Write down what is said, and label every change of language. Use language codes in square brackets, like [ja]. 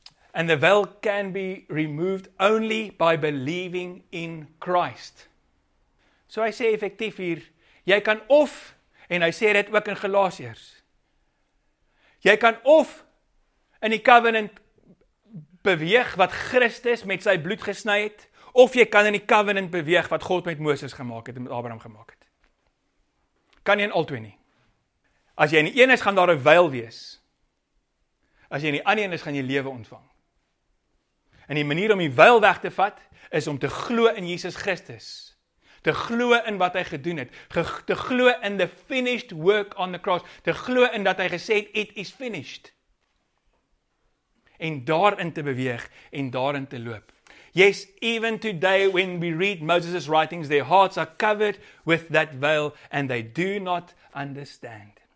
[en] And the veil can be removed only by believing in Christ. [af] So hy sê effektief hier, jy kan of, en hy sê dit ook in Galasiërs, jy kan of in die covenant beweeg wat Christus met sy bloed gesny het, of jy kan in die covenant beweeg wat God met Moses gemaak het en met Abraham gemaak het. Kan jy in al twee nie. As jy in die een is, gaan daar 'n wyl wees. As jy in die ander een is, gaan jy lewe ontvang. En die manier om die wyl weg te vat, is om te glo in Jesus Christus. Te glo in wat hy gedoen het. Te glo in [en] the finished work on the cross. [af] Te glo in dat hy gesê het, [en] it is finished. [af] En daarin te beweeg, en daarin te loop. [en] Yes, even today when we read Moses' writings, their hearts are covered with that veil, and they do not understand.